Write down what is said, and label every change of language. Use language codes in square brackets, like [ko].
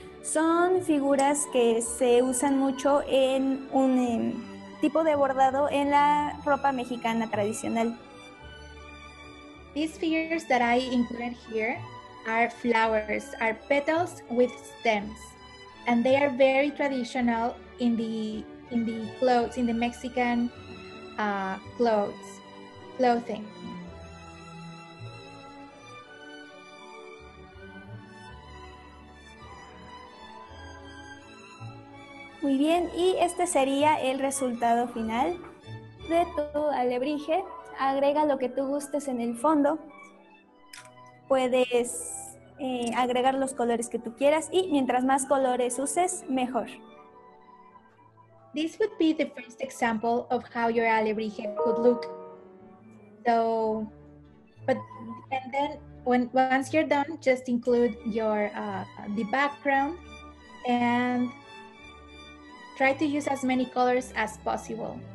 [es] Son figuras que se usan mucho en un tipo de bordado en la ropa mexicana tradicional. [en] These figures that I included here are flowers, are petals with stems, and they are very traditional in the clothes, in the Mexican clothing. [es] Muy bien, y este sería el resultado final de tu alebrije. Agrega lo que tú gustes en el fondo. Puedes agregar los colores que tú quieras y mientras más colores uses, mejor. [en] This would be the first example of how your alebrije could look. So, but and then when once you're done, just include your the background and try to use as many colors as possible.